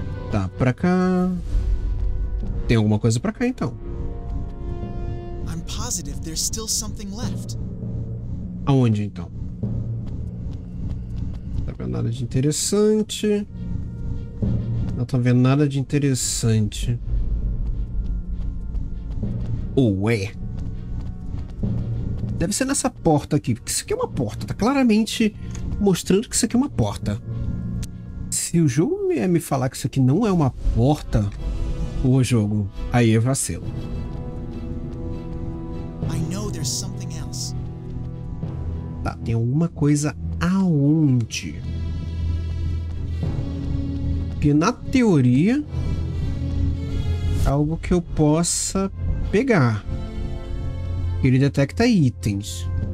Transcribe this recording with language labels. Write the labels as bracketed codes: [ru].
[pt] Tá, pra cá... Tem alguma coisa pra cá, então. [en] I'm positive there's still something left. [pt] Aonde, então? Não tá vendo nada de interessante... Não tô vendo nada de interessante. Ué. Deve ser nessa porta aqui, porque isso aqui é uma porta. Tá claramente mostrando que isso aqui é uma porta. Se o jogo vier me falar que isso aqui não é uma porta, o jogo, aí é vacilo. [en] I know there's something else. [pt] Tá, tem alguma coisa aonde? Porque, na teoria, algo que eu possa pegar. Ele detecta itens.